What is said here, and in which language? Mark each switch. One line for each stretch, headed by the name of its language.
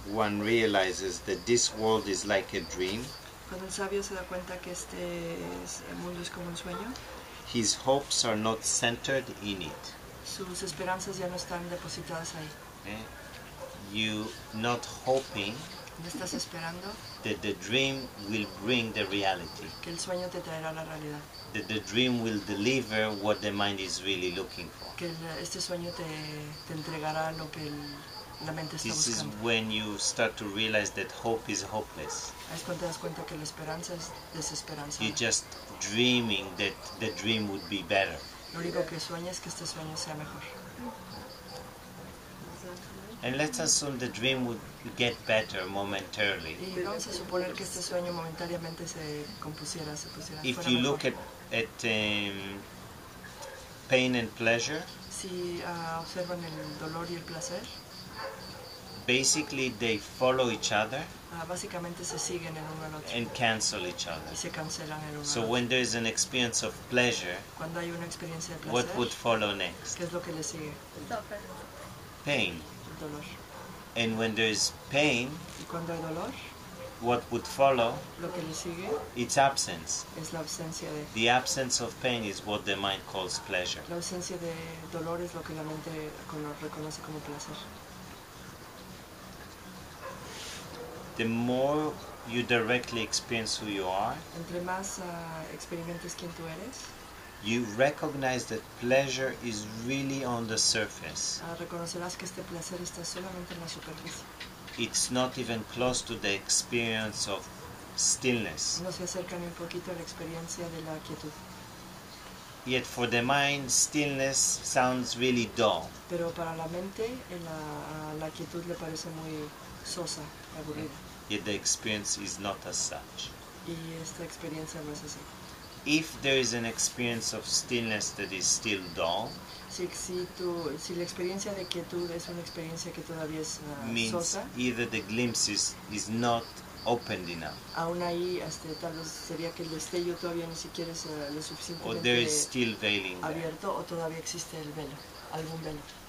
English: one realizes that this world is like a dream,
Spanish: cuando el sabio se da cuenta que este mundo es como un sueño,
English: his hopes are not centered in it.
Spanish: Sus esperanzas ya no están depositadas ahí.
English: You not hoping,
Spanish: no estás esperando,
English: that the dream will bring the reality.
Spanish: Que el sueño te traerá la realidad.
English: That the dream will deliver what the mind is really looking for.
Spanish: Que este sueño te entregará lo que la mente está buscando.
English: This is when you start to realize that hope is hopeless.
Spanish: Es cuando te das cuenta que la esperanza es desesperanza.
English: You're just dreaming that the dream would be better.
Spanish: Lo único que sueñas es que este sueño sea mejor.
English: And let's assume the dream would get better momentarily.
Spanish: Y vamos a suponer que este sueño momentáneamente se compusiera, se pusiera.
English: If you
Spanish: mejor.
English: Look at pain and pleasure.
Spanish: Si observan el dolor y el placer.
English: Basically, they follow each other.
Spanish: Básicamente se siguen el uno al otro.
English: And cancel each other.
Spanish: Y se cancelan el uno.
English: So when there is an experience of pleasure.
Spanish: Cuando hay una experiencia de placer.
English: What would follow next?
Spanish: ¿Qué es lo que le sigue?
English: Pain.
Spanish: Dolor.
English: And when there is pain,
Spanish: y cuando hay dolor,
English: what would follow?
Spanish: Lo que le sigue,
English: its absence.
Spanish: Es la ausencia de.
English: The absence of pain is what the mind calls pleasure.
Spanish: La ausencia de dolor es lo que la mente reconoce como placer.
English: The more you directly experience who you are,
Spanish: entre más experimentes quién tú eres.
English: You recognize that pleasure is really on the surface.
Spanish: Reconocerás que este placer está solamente en la superficie.
English: It's not even close to the experience of stillness.
Spanish: No se acerca ni un poquito a la experiencia de la quietud.
English: Yet for the mind, stillness sounds really dull.
Spanish: Pero para la mente, la quietud le parece muy sosa, aburrida.
English: Yet the experience is not as such.
Spanish: Y esta experiencia no es así.
English: If there is an experience of stillness that is still dull,
Spanish: si la experiencia de quietud es una experiencia que todavía es
English: means
Spanish: sosa,
English: either the glimpse is not opened enough.
Spanish: Aún ahí, tal vez sería que el destello todavía ni siquiera es lo suficientemente
English: or there is still veiling
Spanish: abierto
English: there.
Spanish: O todavía existe el velo, algún velo.